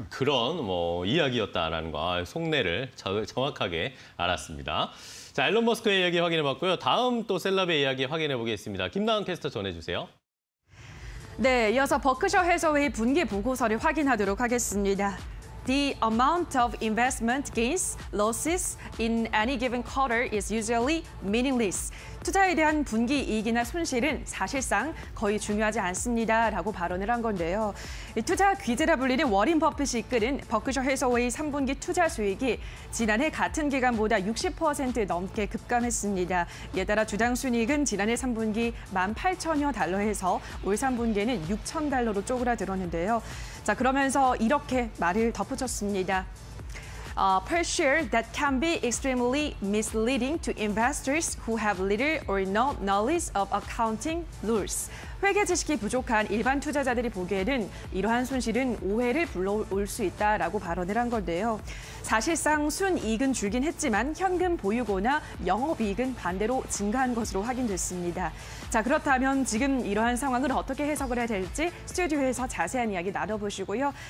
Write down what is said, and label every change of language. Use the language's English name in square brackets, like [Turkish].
[Korean] 그런 뭐 이야기였다라는 거 속내를 정확하게 알았습니다. 자, 일론 머스크의 이야기 확인해봤고요. 다음 또 셀럽의 이야기 확인해보겠습니다. 김나은 캐스터 전해주세요. 네, 이어서 버크셔 해서웨이 분기 보고서를 확인하도록 하겠습니다. [English] The amount of investment gains, losses in any given quarter is usually meaningless. [Korean] 투자에 대한 분기 이익이나 손실은 사실상 거의 중요하지 않습니다. 라고 발언을 한 건데요. 투자 귀재라 불리는 워린 버핏이 이끄는 버크셔 해서웨이 3분기 투자 수익이 지난해 같은 기간보다 60% 넘게 급감했습니다. 이에 따라 주당 순이익은 지난해 3분기 18,000여 달러에서 올 3분기에는 6,000 달러로 쪼그라들었는데요. 자, 그러면서 이렇게 말을 덧붙였습니다. [English] Per share that can be extremely misleading to investors who have little or no knowledge of accounting rules. [Korean] 회계 지식이 부족한 일반 투자자들이 보기에는 이러한 손실은 오해를 불러올 수 있다라고 발언을 한 건데요. 사실상 순이익은 줄긴 했지만 현금 보유고나 영업이익은 반대로 증가한 것으로 확인됐습니다. 자, 그렇다면 지금 이러한 상황을 어떻게 해석을 해야 될지 스튜디오에서 자세한 이야기 나눠보시고요.